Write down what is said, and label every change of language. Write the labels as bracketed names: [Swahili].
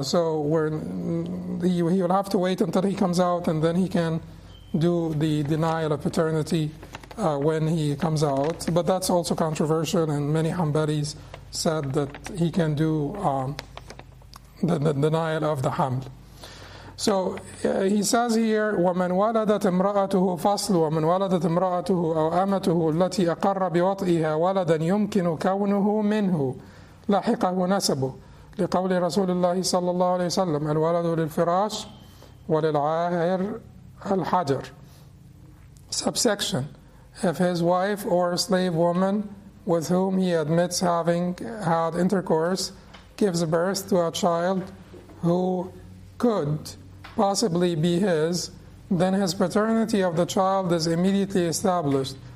[English] So he will have to wait until he comes out, and then he can do the denial of paternity when he comes out. But that's also controversial, and many Hanbalis said that he can do the denial of the haml. So he says here, [Arabic] وَمَنْ وَلَدَتْ امْرَأَتُهُ فَصْلُ وَمَنْ وَلَدَتْ امْرَأَتُهُ أَوْ أَمَتُهُ الَّتِي أَقَرَّ بِوَطْئِهَا وَلَدًا يُمْكِنُ كَوْنُهُ مِنْهُ لَحِقَهُ نَسَبُهُ لقول رسول الله صلى الله عليه وسلم الولد للفراش وللعاهر الحجر. [English] Subsection: if his wife or slave woman with whom he admits having had intercourse gives birth to a child who could possibly be his, then his paternity of the child is immediately established.